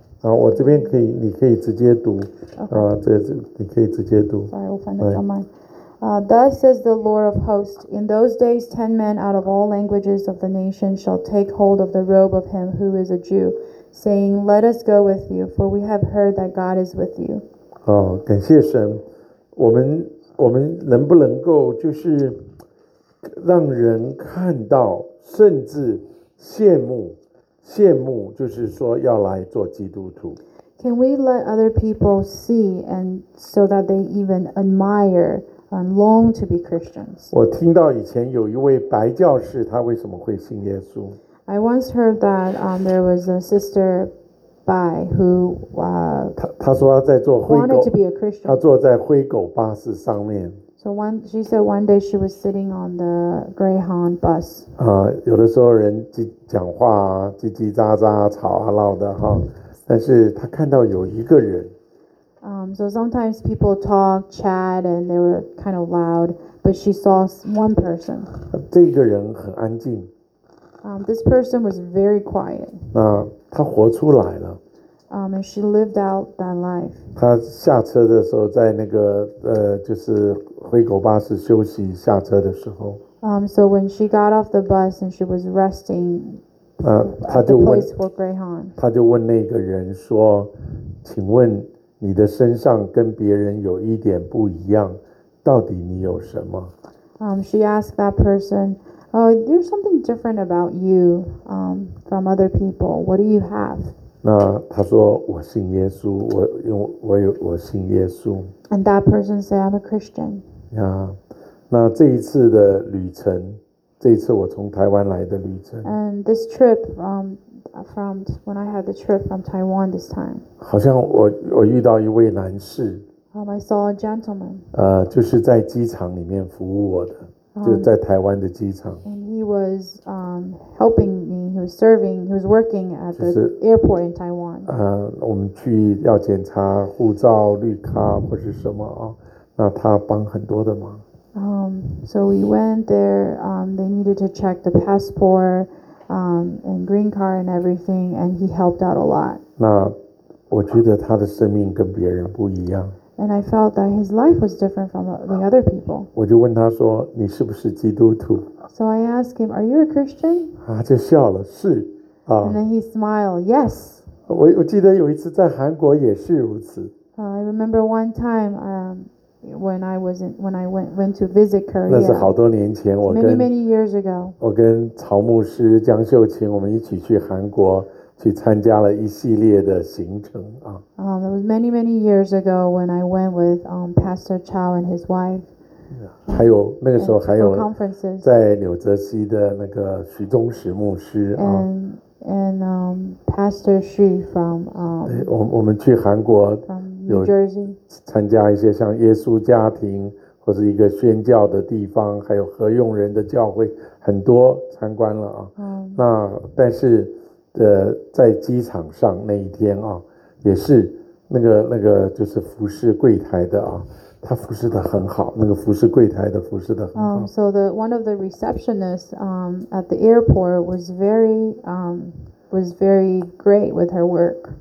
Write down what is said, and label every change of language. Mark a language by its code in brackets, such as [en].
[zh] 好，我这边可以，你可以直接读 [en] okay. [zh] 你可以直接读。 [en] Sorry, I'll find it on mine. Thus says the Lord of hosts: In those days, 10 men out of all languages of the nation shall take hold of the robe of him who is a Jew, saying, "Let us go with you, for we have heard that God is with you." [zh] 哦，感谢神，我们能不能够就是让人看到？甚至羡慕就是说要来做基督徒。 [en] Can we let other people see and so that they even admire and long to be Christians? [zh] 我听到以前有一位白教士，他为什么会信耶稣 [en] ？I once heard that there was a sister Bai who [zh] 他说他在坐灰狗 [en] wanted to be a Christian. [zh] 他坐在灰狗巴士上面。 [en] So she said one day she was sitting on the Greyhound bus. [zh] 有的时候人讲话叽叽喳喳吵啊闹的哈，但是他看到有一个人。 [en] So sometimes people talk, chat, and they were kind of loud, but she saw one person. [zh] 这个人很安静。 [en] This person was very quiet. [zh] 那他活出来了。 [en] And she lived out that life. [zh] 他下车的时候，在那个就是回狗巴士休息下车的时候。 [en] So when she got off the bus and she was resting, at the place for Greyhound. [zh] 他就问那个人说：“请问你的身上跟别人有一点不一样，到底你有什么？” [en] She asked that person, "Oh, there's something different about you, from other people. What do you have?" [zh] 那他说我信耶稣，我信耶稣。 [en] And that person said, "I'm a Christian." Yeah. [zh] 那这一次的旅程，这一次我从台湾来的旅程。 [en] And this trip, from when I had the trip from Taiwan this time. [zh] 好像我遇到一位男士。 [en] I saw a gentleman. [zh] 就是在机场里面服务我的。就在台湾的机场。 [en] And he was helping me, he was working at the airport in Taiwan. [zh] 我们去要检查护照、绿卡或是什么啊，那他帮很多的忙。 [en] So we went there, they needed to check the passport, and green card and everything, and he helped out a lot. [zh] 那我觉得他的生命跟别人不一样。 [en] And I felt that his life was different from the other people. [zh] 我就问他说，你是不是基督徒？ [en] So I asked him, "Are you a Christian?" [zh] 他就笑了，是。 [en] And then he smiled, "Yes." [zh] 我记得有一次在韩国也是如此。 [en] I remember one time, when I went to visit Korea. [zh] 那是好多年前，我跟 [en] many many years ago. [zh] 我跟曹牧师江秀琴，我们一起去韩国。去参加了一系列的行程啊。 [en] It was many many years ago when I went with Pastor Chow and his wife. [zh] 还有那个时候还有 [en] conferences [zh] 在纽泽西的那个徐宗实牧师啊。 [en] And Pastor Xu from [zh] 我们去韩国 [en] from New Jersey [zh] 参加一些像耶稣家庭或是一个宣教的地方，还有何用人的教会，很多参观了啊。那但是。在机场上那一天啊，也是那个就是服侍柜台的啊，他服侍的很好，那个服侍柜台的服侍的很好。 [en] So the one of the receptionists at the airport was very great with her work.